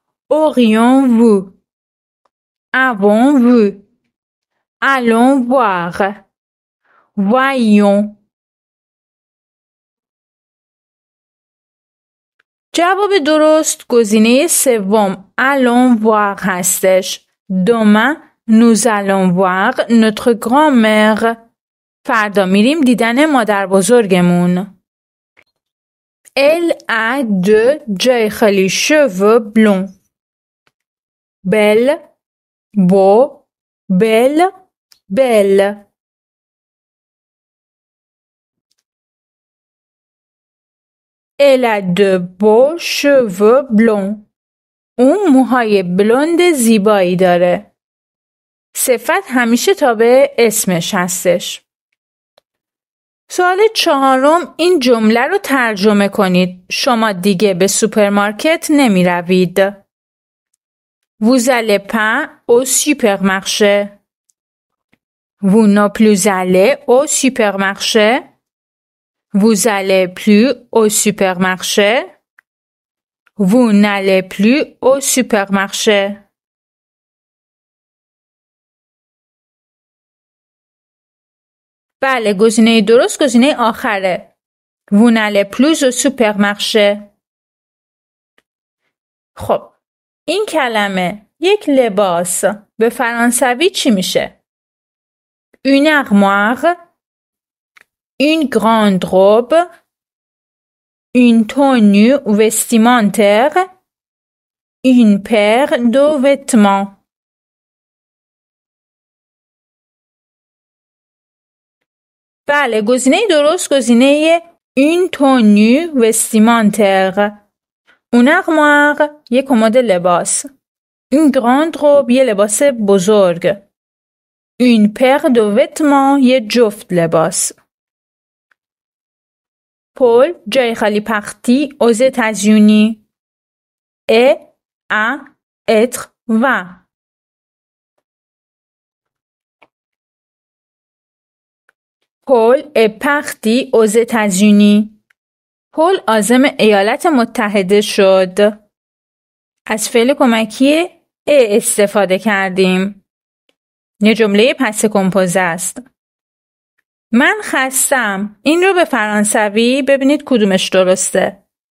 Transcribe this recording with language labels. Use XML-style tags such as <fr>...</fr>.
<fr>اوریون وو. آبون وو. آلون وار. وایون.</fr> <fa>جواب درست گزینه سوم</fa> <fr>allons voir</fr> <fa>هستش.</fa> <fr>demain nous allons voir notre grand-mère.</fr> <fa>فردا میریم دیدن مادر بزرگمون.</fa> <fr>elle a de</fr> <fa>جای خالی</fa> <fr>cheveux blonds. belle beau belle belle. Elle a de beaux cheveux blonds.</fr> <fa>اون موهای بلوند زیبایی داره. صفت همیشه تابع اسمش هستش. سوال چهارم، این جمله رو ترجمه کنید. شما دیگه به سوپرمارکت نمی روید.</fa> <fr>Vous allez pas au supermarché. Vous ne plus allez au supermarché. Vous allez plus au supermarché. Vous n'allez plus au supermarché.</fr> <fa>بله، گزینه درست گزینه آخره.</fa> <fr>Vous n'allez plus au supermarché.</fr> <fa>خب، این کلمه یک لباس به فرانسوی چی میشه؟</fa> <fr>Une armoire. Une grande robe, une tenue vestimentaire, une paire de vêtements.</fr> <fa>بله، گزینه درست گزینه</fa> <fr>une tenue vestimentaire. Une armoire,</fr> <fa>یه کمد لباس.</fa> <fr>Une grande robe,</fr> <fa>یه لباس بزرگ.</fa> <fr>Une paire de vêtements,</fr> <fa>یه جفت لباس.</fa> <fr>Paul,</fr> <fa>جای خالی</fa> <fr>parti aux États-Unis. Et à être va. Paul est parti aux États-Unis.</fr> <fa>Paul عازم ایالات متحده شد. از فعل کمکی استفاده کردیم. یه جمله پس کمپوزه است. من خستم. این رو به فرانسوی ببینید کدومش درسته.</fa>